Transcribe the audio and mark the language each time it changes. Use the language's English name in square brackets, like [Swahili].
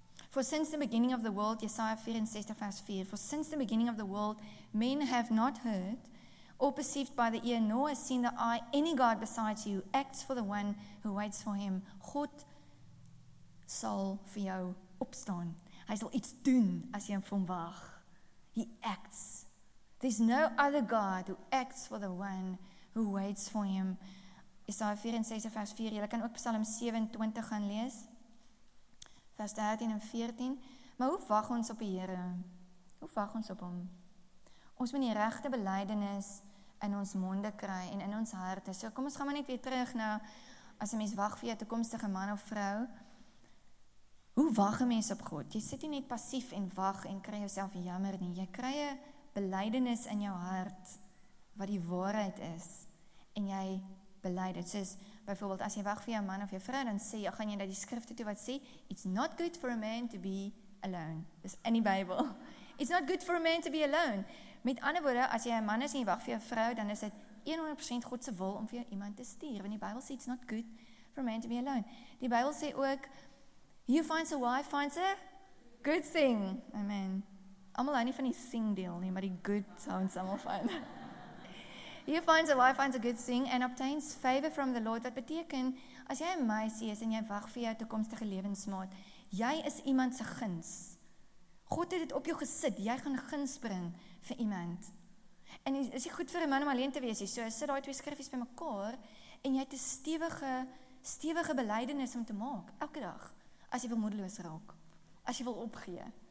[English] For since the beginning of the world, Jesaja 64 vers 4, for since the beginning of the world, men have not heard, or perceived by the ear, nor has seen the eye, any God besides you, acts for the one who waits for him. [Afrikaans] God sal vir jou opstaan. Hy sal iets doen as jy vir hom wag. [English] He acts. There's no other God who acts for the one who waits for him. [Afrikaans] Jesaja 64 vers 4, jy kan ook Psalm 27 gaan lees. Vers 13 en 14, maar hoe wag ons op die Here? Hoe wag ons op hom? Ons moet die regte belydenis in ons monde kry en in ons harte. So kom ons gaan maar net weer terug na, as 'n mens wag vir jou toekomstige man of vrou, hoe wag 'n mens op God? Jy sit nie net passief en wag en kry jouself jammer nie. Jy kry 'n belydenis in jou hart wat die waarheid is en jy belyd dit. Soos byvoorbeeld as jy wag vir jou man of jou vrou, dan sê jy, gaan jy na die skrifte toe wat sê, [English] it's not good for a man to be alone. [Afrikaans] Dis in die Bybel. [English] It's not good for a man to be alone. [Afrikaans] Met ander woorde, as jy 'n man is en jy wag vir jou vrou, dan is dit 100% God se wil om vir jou iemand te stuur. Want die Bybel sê, [English] it's not good for a man to be alone. [Afrikaans] Die Bybel sê ook, [English] he who finds a wife finds a good thing. [Afrikaans] Amen. Allemaal nie van die sing deel nie, maar die good sounds allemaal fun. [English] He finds a wife, finds a good thing and obtains favor from the Lord. [Afrikaans] Dat beteken, as jy 'n meisie is en jy wag vir jou toekomstige lewensmaat, jy is iemand se guns. God het dit op jou gesit, jy gaan guns bring vir iemand. En is dit goed vir 'n man om alleen te wees? So sit daai twee skriffies by mekaar en jy het 'n stewige belydenis om te maak elke dag as jy wil moedeloos raak, as jy wil opgee.